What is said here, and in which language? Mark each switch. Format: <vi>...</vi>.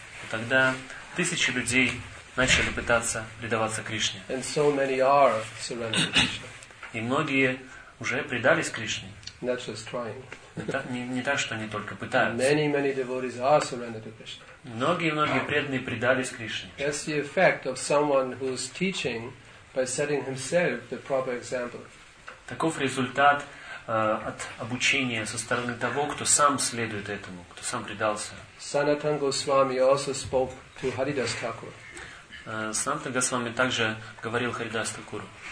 <ru>Тогда тысячи людей начали пытаться предаваться Кришне.</ru> <en>And so many are surrendered to Krishna.</en> <ru>И многие уже предались Кришне.</ru> <en>Not just trying.</en> <ru>Не так, что они только пытаются.</ru> <en>Many, many devotees are surrendered to Krishna.</en> <ru>Многие преданные предались Кришне.</ru> <en>That's the effect of someone who's teaching by setting himself the proper example.</en> <ru>Таков результат от обучения со стороны того, кто сам следует этому, кто сам предался.</ru> <en>Санатан Госвами also spoke to Haridas Thakur.</en> <ru>Санатан Госвами также говорил Харидас Такуру.</ru>